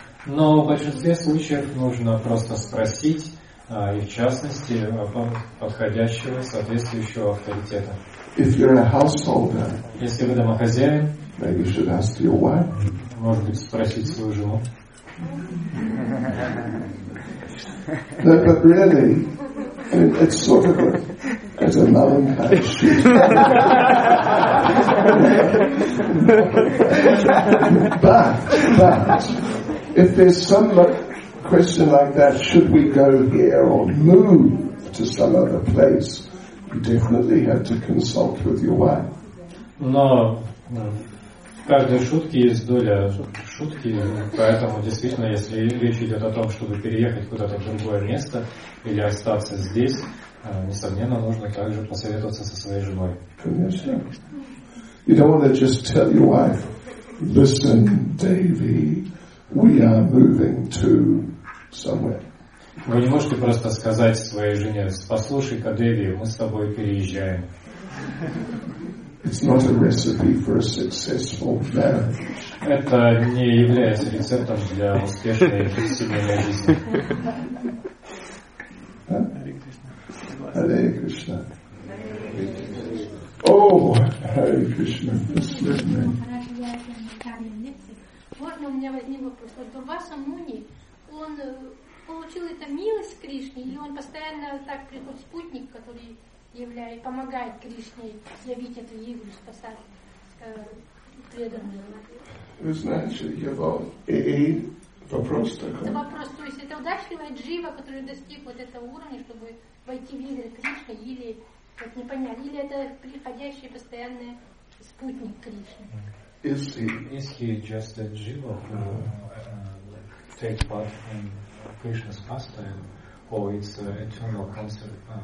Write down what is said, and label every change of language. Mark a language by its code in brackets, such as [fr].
[ru] Но в большинстве случаев нужно просто спросить, и в частности подходящего, соответствующего авторитета. [en] If you're a householder, [ru] если вы домохозяин, [en] maybe you should ask your wife. [ru] Может быть, спросить свою жену. [en] No, but really, I mean, it's sort of as a melancholy shoot. But if there's some question like that, should we go here or move to some other place? You definitely have to consult with your wife. [ru] Но в каждой шутке есть доля шутки, поэтому действительно, если речь идет о том, чтобы переехать куда-то в другое место или остаться здесь, несомненно, нужно также посоветоваться со своей женой. Конечно. [en] You don't want to just tell your wife, listen, Davy, we are moving to somewhere. [ru] Вы не можете просто сказать своей жене: послушай-ка, Дэви, мы с тобой переезжаем. [en] It's not a recipe for a successful marriage. [ru] Это не является рецептом для успешной семейной жизни. [en] Hare Krishna. Hare Krishna. Oh, Hare Krishna. Excuse me. [ru] Получил это милость к Кришне, или он постоянно так приходит, спутник, который является, помогает Кришне явить эту игру, спасать преданного? Значит, его вопрос такой. Это вопрос, то есть это удачливая джива, который достиг вот этого уровня, чтобы войти в игры Кришны, или, как не понять, или это приходящий постоянный спутник Кришны? [en] Is he just a jiva who takes part in Krishna's pastime, or it's an eternal concept,